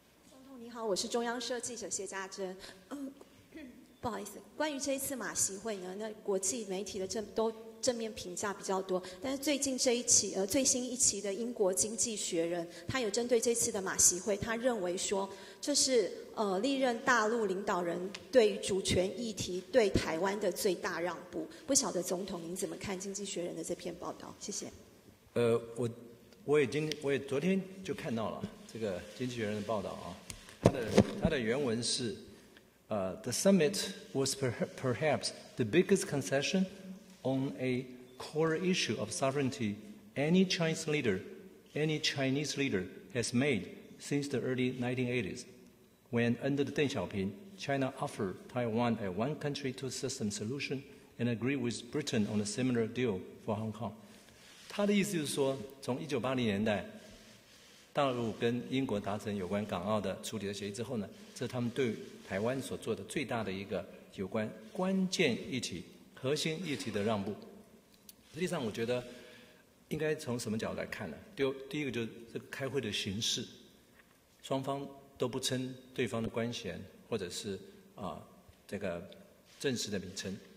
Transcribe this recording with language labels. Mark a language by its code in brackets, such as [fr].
[zh] 总统你好，我是中央社记者谢家珍。不好意思，关于这一次马习会呢，那国际媒体的正面评价比较多，但是最近这一期最新一期的英国经济学人，他有针对这次的马习会，他认为说这是历任大陆领导人对主权议题对台湾的最大让步。不晓得总统您怎么看经济学人的这篇报道？谢谢。我也昨天就看到了这个经济学人的报道啊，他的原文是 [en] The summit was perhaps the biggest concession on a core issue of sovereignty any Chinese leader has made since the early 1980s, when under Deng Xiaoping, China offered Taiwan a one-country, two-system solution and agreed with Britain on a similar deal for Hong Kong. [zh] 他的意思就是说，从1980年代大陆跟英国达成有关港澳的处理的协议之后呢，这是他们对台湾所做的最大的一个有关关键议题、核心议题的让步。实际上，我觉得应该从什么角度来看呢？第一个就是这个开会的形式，双方都不称对方的官衔或者是这个正式的名称。